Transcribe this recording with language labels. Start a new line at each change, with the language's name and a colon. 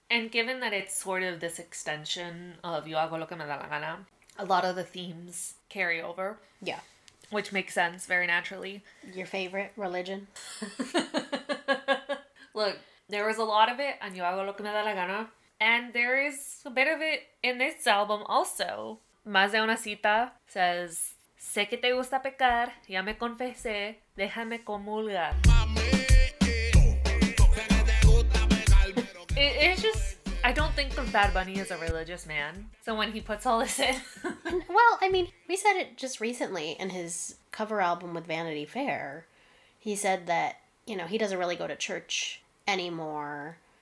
English: And given that it's sort of this extension of Yo Hago Lo Que Me Da La Gana, a lot of the themes carry over. Yeah. Which makes sense, very naturally. Your favorite religion? Look, there was a lot of it on Yo Hago Lo Que Me Da La Gana, and there is a bit of it in this album also.
Spanish: Más de una cita says, sé que te gusta pecar, ya me confesé, déjame comulgar.
English: It's just, I don't think of Bad Bunny as a religious man. So when he puts all this in... Well, I mean, we said it just recently in his cover album with Vanity Fair. He said that, you know, he doesn't really go to church anymore.